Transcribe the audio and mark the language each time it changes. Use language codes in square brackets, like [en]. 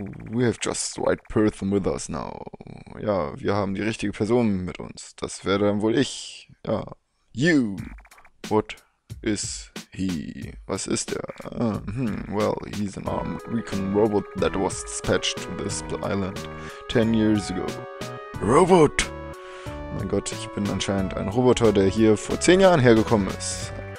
[en] We have just the right person with us now. [de] Ja, wir haben die richtige Person mit uns. Das wäre dann wohl ich. Ja. [en] You. What is he? [de] Was ist er? [en] Well, he's an armored Recon robot that was dispatched to this island 10 years ago. Robot! [de] Oh mein Gott, ich bin anscheinend ein Roboter, der hier vor 10 Jahren hergekommen ist.